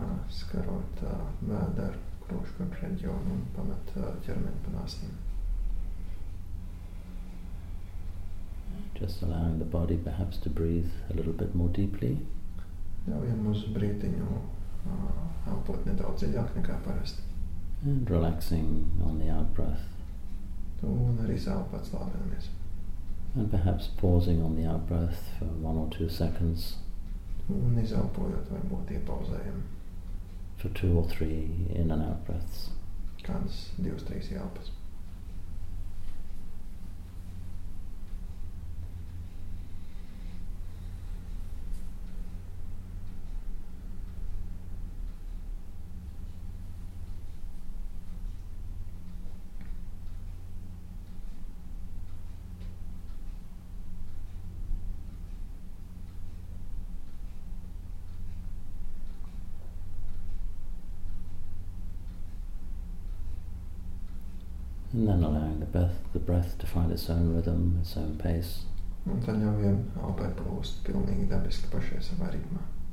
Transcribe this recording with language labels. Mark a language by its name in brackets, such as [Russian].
[Latvian] Skarot vēderu, krūšku reģionu un pamet ķermeni pa nāsnim. [English] Just allowing the body perhaps to breathe a little bit more deeply. [Latvian] Ļaujam uz brītiņu elpot nedaudz dziļāk nekā parasti. [English] And relaxing on the out-breath. [Latvian] Un arī izelpot slāpināmies. [English] And perhaps pausing on the out-breath for 1 or 2 seconds. [Latvian] Un izelpojot varbūt iepauzējam. [English] For 2 or 3 in and out-breaths. [Latvian] Kāds 2-3 ielpas. [English] And then allowing the breath to find its own rhythm, its own pace. [Latvian] Un tad ļaujam elpai plūst pilnīgi dabiski pašai savā ritmā.